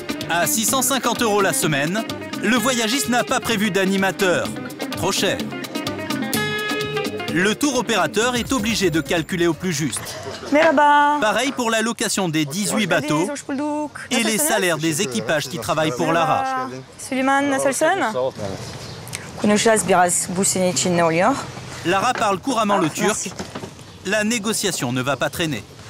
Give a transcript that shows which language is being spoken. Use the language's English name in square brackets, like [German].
[French] À 650 euros la semaine, le voyagiste n'a pas prévu d'animateur. Trop cher. Le tour opérateur est obligé de calculer au plus juste. Mais là-bas. Pareil pour la location des 18 bateaux et les salaires des équipages qui travaillent pour Lara. Suleiman Nasselson. [Turkish] Konuşacağız biraz bu sene için ne oluyor? [French] Lara parle couramment le turc. La négociation ne va pas traîner.